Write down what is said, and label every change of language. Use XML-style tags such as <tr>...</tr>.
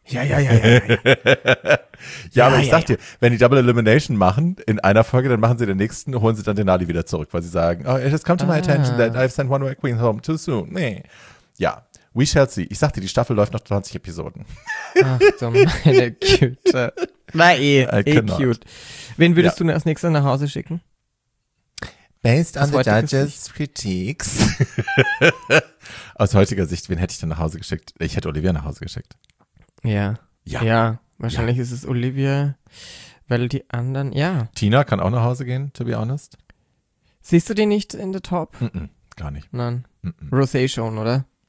<de>Ja, aber ich sag dir, wenn die Double Elimination machen in einer Folge, dann machen sie den nächsten, holen sie dann den Denali wieder zurück, weil sie sagen,</de> <en>oh, it has come to my attention that I've sent one way queen home too soon.</en> <de>Nee. Ja,</de> <en>we shall see.</en> <de>Ich sag dir, die Staffel läuft noch 20 Episoden. Ach du meine Güte. Na eh, cute. Wen würdest du als nächstes nach Hause schicken?</de> <en>Based on the judges' critiques.</en> <de>Aus heutiger Sicht, wen hätte ich denn nach Hause geschickt? Ich hätte Olivia nach Hause geschickt. Ja. Wahrscheinlich ist es Olivia, weil die anderen, Tina kann auch nach Hause gehen,</de> <en>to be honest.</en> <de>Siehst du die nicht</de> <en>in the top?</en> <de>Mm-mm, gar nicht. Nein. Rosé schon, oder?</de>